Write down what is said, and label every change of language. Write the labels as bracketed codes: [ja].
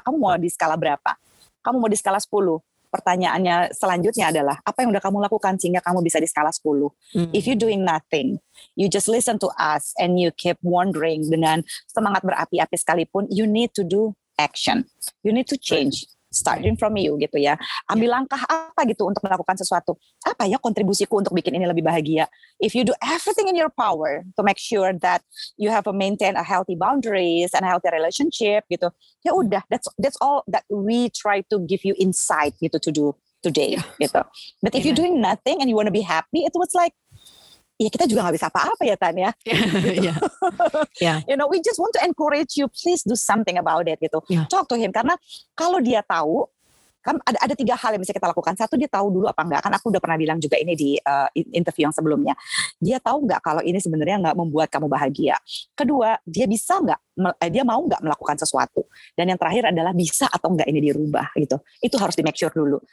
[id] Kamu mau di skala berapa? Kamu mau di skala 10? Pertanyaannya selanjutnya adalah, apa yang udah kamu lakukan sehingga kamu bisa di skala 10? [en] If you doing nothing, you just listen to us and you keep wondering [id] dengan semangat berapi-api sekalipun, [en] you need to do action. You need to change. Starting from you [id] gitu ya. Ambil langkah apa gitu untuk melakukan sesuatu. Apa ya kontribusiku untuk bikin ini lebih bahagia? [en] If you do everything in your power to make sure that you have a maintain a healthy boundaries and a healthy relationship [id] gitu. Ya udah, [en] that's all that we try to give you insight gitu to do today gitu. But if you're doing nothing and you want to be happy, it was like, [id] ya kita juga gak bisa apa-apa ya [en] Tania. You know, we just want to encourage you, please do something about it [id] gitu. [en] Talk to him, [id] karena kalau dia tahu, kan ada tiga hal yang bisa kita lakukan. Satu, dia tahu dulu apa enggak. Kan aku udah pernah bilang juga ini di interview yang sebelumnya. Dia tahu enggak kalau ini sebenarnya enggak membuat kamu bahagia. Kedua, dia bisa enggak, dia mau enggak melakukan sesuatu. Dan yang terakhir adalah bisa atau enggak ini dirubah gitu. Itu harus di [en] make sure [id] dulu.